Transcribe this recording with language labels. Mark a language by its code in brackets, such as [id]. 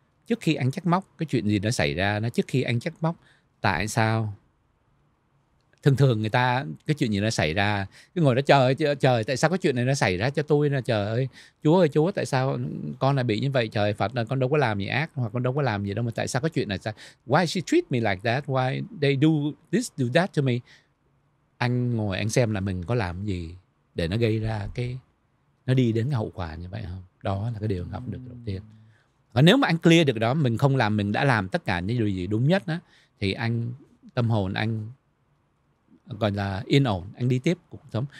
[vi] trước khi anh chắc móc cái chuyện gì nó xảy ra, nó trước khi anh chắc móc tại sao. Thường thường người ta cái chuyện gì nó xảy ra, cái ngồi đó trời ơi, trời tại sao cái chuyện này nó xảy ra cho tôi nè, trời ơi, Chúa tại sao con lại bị như vậy, trời Phật ơi, con đâu có làm gì ác hoặc con đâu có làm gì đâu mà tại sao cái chuyện này xảy ra? [en] Why she treat me like that? Why they do this do that to me? [vi] Anh ngồi anh xem là mình có làm gì để nó gây ra cái nó đi đến cái hậu quả như vậy không? Đó là cái điều học được đầu tiên. Và nếu mà anh clear được đó, mình không làm, mình đã làm tất cả những điều gì đúng nhất đó, thì anh tâm hồn anh gọi là yên ổn, anh đi tiếp cuộc sống.